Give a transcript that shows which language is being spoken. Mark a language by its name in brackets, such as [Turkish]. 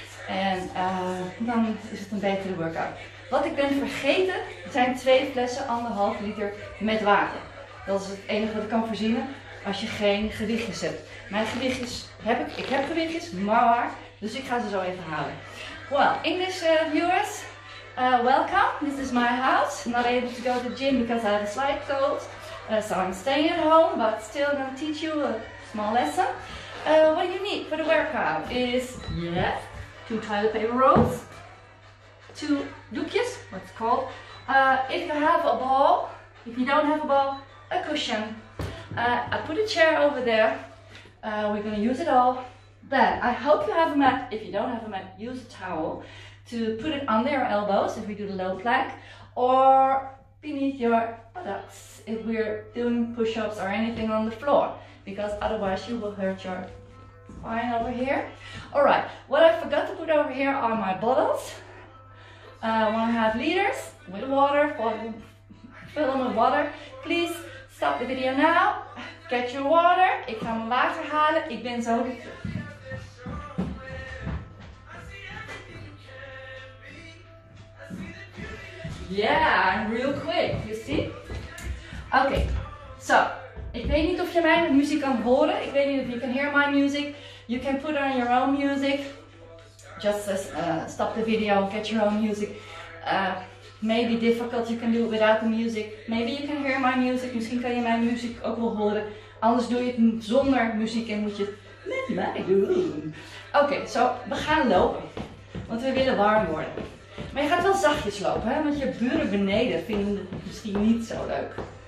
[Dutch] En dan is het een betere workout. Wat ik ben vergeten zijn 2 flessen 1,5 liter met water. Dat is het enige wat ik kan voorzien als je geen gewichtjes hebt. Mijn gewichtjes heb ik. Ik heb gewichtjes, maar waar. Dus ik ga ze zo even halen. [English] Well, English viewers, welcome. This is my house. Not able to go to the gym because I have a slight cold. So I'm staying at home, but still going to teach you a small lesson. What you need for the workout is, 2 toilet paper rolls. 2 doekjes, what's it called. If you have a ball, if you don't have a ball, a cushion. I put a chair over there. We're going to use it all. Then, I hope you have a mat. If you don't have a mat, use a towel to put it under your elbows if we do the low plank, or beneath your buttocks if we're doing push-ups or anything on the floor, because otherwise you will hurt your spine over here. Alright, what I forgot to put over here are my bottles. 1.5 liters with water, fill them with water. Please stop the video now, get your water. [Dutch] Ik ga mijn water halen, ik ben zo. [English] Yeah, real quick, you see? Okay, so, [Dutch] ik weet niet of je mijn muziek kan horen. Ik weet niet of [English] you can hear my music. You can put on your own music. Just stop the video, get your own music. Maybe difficult, you can do it without the music. Maybe you can hear my music. [Dutch] Misschien kan je mijn muziek ook wel horen. Anders doe je het zonder muziek en moet je het met mij doen. Okay, so, we gaan lopen. Want we willen warm worden. Maar je gaat wel zachtjes lopen, hè? Want je buren beneden vinden het misschien niet zo leuk.